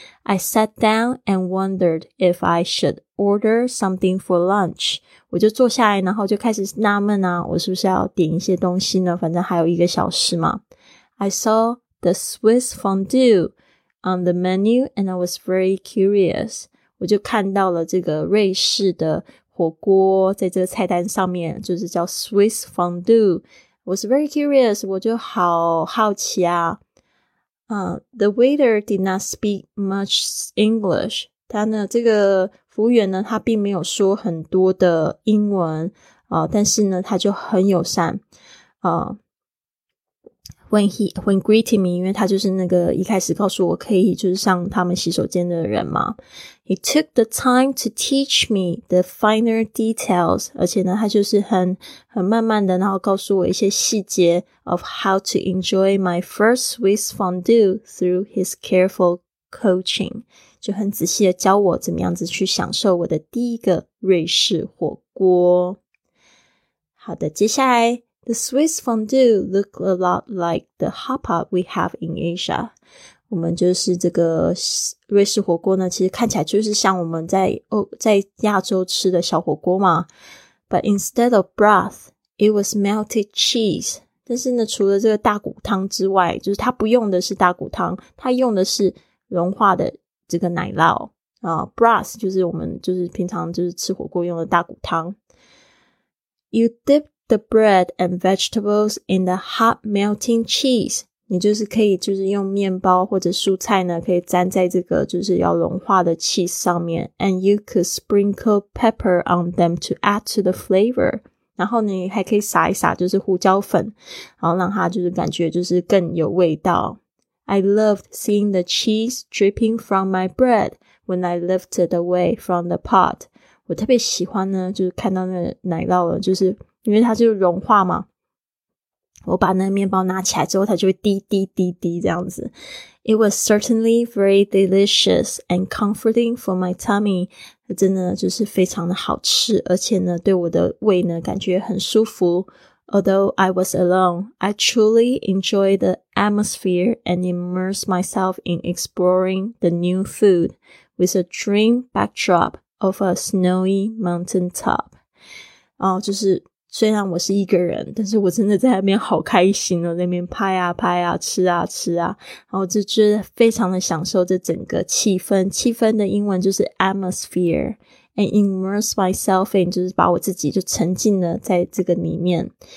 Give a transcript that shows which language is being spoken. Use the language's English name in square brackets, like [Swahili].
[English] I sat down and wondered if I should order something for lunch. [Chinese] 我就坐下来，然后就开始纳闷啊，我是不是要点一些东西呢？反正还有一个小时嘛。 [English] I saw the Swiss fondue on the menu and I was very curious. [Chinese] 我就看到了这个瑞士的火锅在这个菜单上面，就是叫 Swiss fondue. [English] I was very curious, 我就好好奇啊。 The waiter did not speak much English. [Chinese] 他呢，这个服务员呢，他并没有说很多的英文但是呢他就很友善 when greeting me, 因为他就是那个一开始告诉我可以就是上他们洗手间的人嘛。 [English] He took the time to teach me the finer details, 而且呢他就是很慢慢的然后告诉我一些细节 of how to enjoy my first Swiss fondue through his careful coaching. [Chinese] 就很仔细的教我怎么样子去享受我的第一个瑞士火锅。 [English] 好的，接下来 The Swiss fondue looked a lot like the hot pot we have in Asia. [Chinese] 我们就是这个瑞士火锅呢，其实看起来就是像我们在亚洲吃的小火锅嘛。 [English] But instead of broth, it was melted cheese. [Chinese] 但是呢，除了这个大骨汤之外，就是它不用的是大骨汤，它用的是融化的这个奶酪broth 就是我们就是平常就是吃火锅用的大骨汤。 [English] You dip the bread and vegetables in the hot melting cheese. [Chinese] 你就是可以就是用面包或者蔬菜呢可以沾在这个就是要融化的 cheese 上面， and you could sprinkle pepper on them to add to the flavor. 然后你还可以撒一撒就是胡椒粉，然后让它就是感觉就是更有味道。 [English] I loved seeing the cheese dripping from my bread when I lifted away from the pot. [Chinese] 我特别喜欢呢，就是看到那个奶酪了，就是因为它就融化嘛。我把那个面包拿起来之后，它就会滴滴滴滴这样子。 [English] It was certainly very delicious and comforting for my tummy. [Chinese] 真的就是非常的好吃，而且呢，对我的胃呢感觉很舒服。 [English] Although I was alone, I truly enjoyed the atmosphere and immersed myself in exploring the new food with a dream backdrop of a snowy mountain top. [Chinese] 就是虽然我是一个人，但是我真的在那边好开心哦，在那边拍啊拍啊，吃啊吃啊，然后就觉得非常的享受这整个气氛。气氛的英文就是 atmosphere. And immerse myself in, 就是把我自己就沉浸了在这个里面。